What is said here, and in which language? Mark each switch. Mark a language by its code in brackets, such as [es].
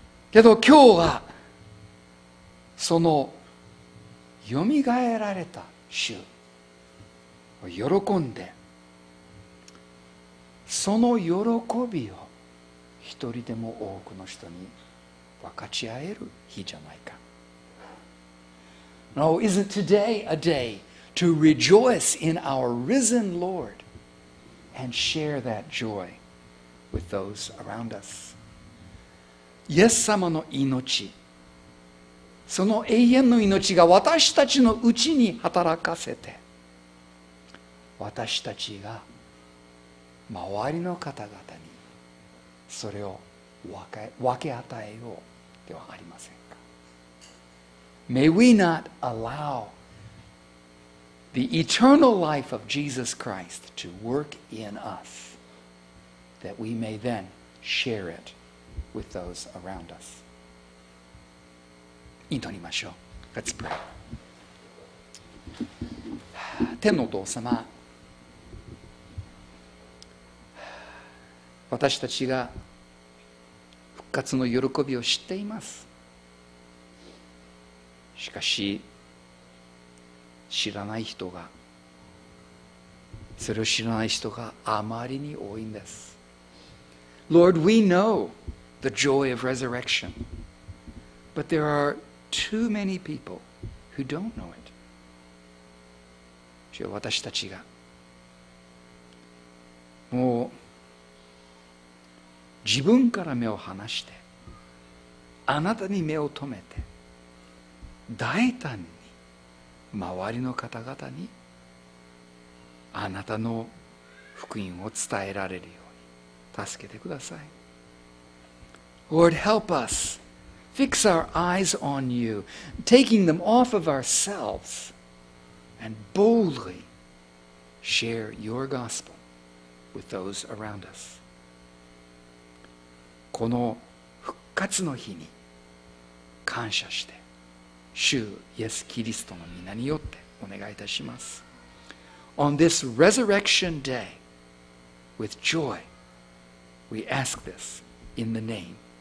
[ja] けど今日はそのよみがえられた主を喜んでその喜びを一人でも多くの人に分かち合える日じゃないか。 [en] Now, isn't today a day to rejoice in our risen Lord and share that joy with those around us? [ja] イエス様の命、その永遠の命が私たちのうちに働かせて、私たちが周りの方々にそれを分け与えようではありませんか。 [en] May we not allow the eternal life of Jesus Christ to work in us, that we may then share it. With those around us. [ja] 祈りましょう。 [en] Let's pray. [ja] 天のお父様、私たちが復活の喜びを知っています。しかし知らない人が、それを知らない人があまりに多いんです。 [en] Lord, we knowThe joy of resurrection. But there are too many people who don't know it. [ja] 主よ、私たちがもう自分から目を離してあなたに目を留めて大胆に周りの方々にあなたの福音を伝えられるように助けてください。 [en] Lord, help us fix our eyes on you, taking them off of ourselves, and boldly share your gospel with those around us. [ja] この復活の日に感謝して、主イエス・キリストの名によってお願いいたします。 [en] On this resurrection day, with joy, we ask this in the name.